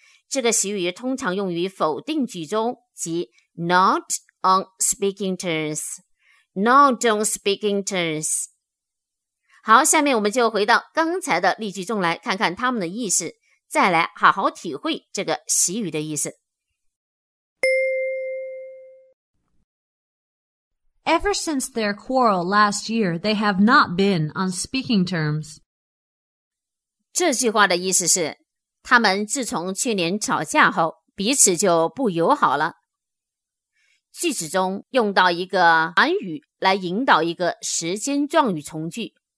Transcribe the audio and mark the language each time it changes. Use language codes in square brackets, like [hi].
[zh] 这个习语通常用于否定句中，即 [en] not on speaking terms, [zh] not on speaking terms。好，下面我们就回到刚才的例句中来看看他们的意思，再来好好体会这个习语的意思。 [en] Ever since their quarrel last year, they have not been on speaking terms. [zh] 这句话的意思是，他们自从去年吵架后，彼此就不友好了。句子中用到一个短语来引导一个时间状语从句。